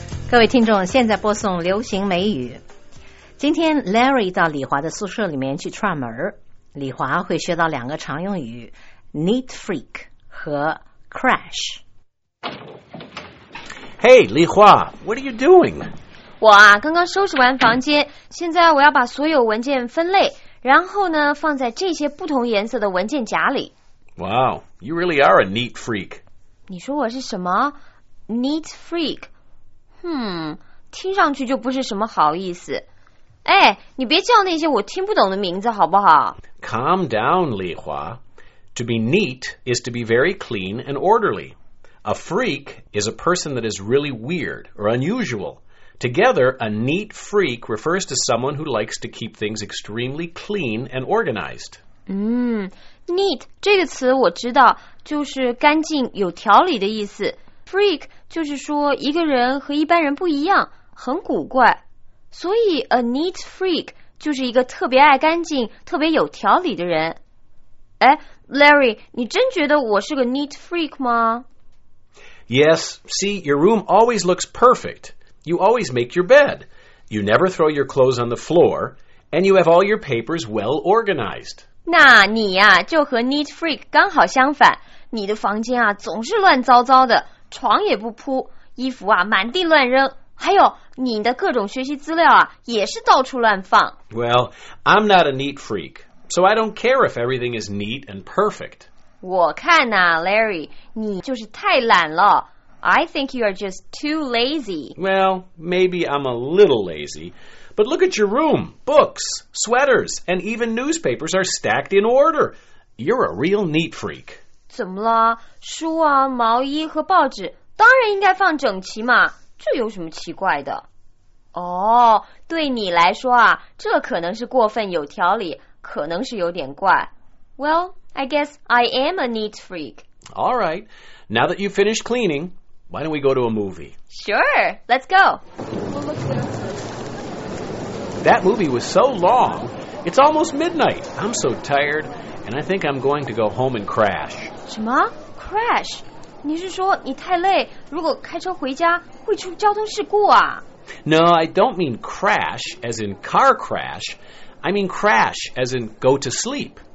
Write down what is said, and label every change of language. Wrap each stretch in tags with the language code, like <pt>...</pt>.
<zh>各位听众，现在播送流行美语。今天 Larry 到李华的宿舍里面去串门，李华会学到两个常用语 Neat Freak 和 Crash。</zh> <en>Hey 李华， What are you doing?</en> <zh>我啊，刚刚收拾完房间，现在我要把所有文件分类，然后呢，放在这些不同颜色的文件夹里。</zh> <en>Wow, you really are a neat freak.</en> <zh>你说我是什么？Neat Freak？听上去就不是什么好意思。哎，你别叫那些我听不懂的名字好不好？</zh> <en>Calm down, 李华。 To be neat is to be very clean and orderly. A freak is a person that is really weird or unusual. Together, a neat freak refers to someone who likes to keep things extremely clean and organized.</en> <zh>Neat 这个词我知道，就是干净有条理的意思。 Freak 就是说一个人和一般人不一样，很古怪，所以 a neat freak 就是一个特别爱干净、特别有条理的人。哎 ，Larry， 你真觉得我是个 neat freak 吗</zh> <en>？Yes. See, your room always looks perfect. You always make your bed. You never throw your clothes on the floor, and you have all your papers well organized.</en> <zh>那你呀、啊，就和 neat freak 刚好相反。你的房间啊，总是乱糟糟的。床也不铺，衣服啊满地乱扔，还有你的各种学习资料啊也是到处乱放。</zh> <en>Well, I'm not a neat freak, so I don't care if everything is neat and perfect.</en> <zh>我看啊 Larry, 你就是太懒了。</zh> <en>I think you are just too lazy. Well, maybe I'm a little lazy, but look at your room. Books, sweaters, and even newspapers are stacked in order. You're a real neat freak.</en> <zh>怎么了？书啊，毛衣和报纸当然应该放整齐嘛，这有什么奇怪的？哦，对你来说啊，这可能是过分有条理，可能是有点怪。</zh> <en>Well, I guess I am a neat freak. All right, now that you've finished cleaning, why don't we go to a movie? Sure, let's go. That movie was so long, it's almost midnight. I'm so tired. And I think I'm going to go home and crash.</en> <zh>什么 crash? 你是说你太累，如果开车回家会出交通事故啊？</zh> <en>No, I don't mean crash as in car crash. I mean crash as in go to sleep.</en>